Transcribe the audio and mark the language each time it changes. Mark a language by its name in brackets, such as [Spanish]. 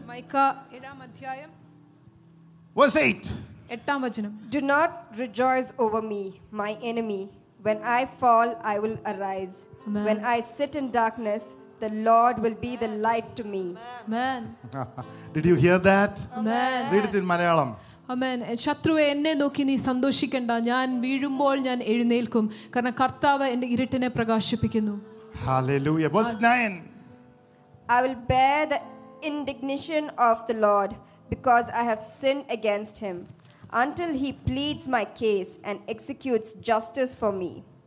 [English] micah 7th adhyayam verse 8 [Malayalam] എട്ടാം വചനം [English] Do not rejoice over me, my enemy. When I fall, I will arise. Amen. When I sit in darkness, the Lord will be Amen. The light to me. Amen. Did you hear that? Amen. Read it in Malayalam. [Malayalam] അമേൻ ശത്രുവെ എന്നെ നോക്കി നീ സന്തോഷിക്കണ്ട ഞാൻ വീഴുമ്പോൾ ഞാൻ എഴുന്നേൽക്കും കാരണം കർത്താവ് എന്റെ ഇരുട്ടിനെ പ്രകാശിപ്പിക്കുന്നു [English] Hallelujah verse 9 I will bear the indignation of the Lord because I have sinned against him until he pleads my case and executes justice for me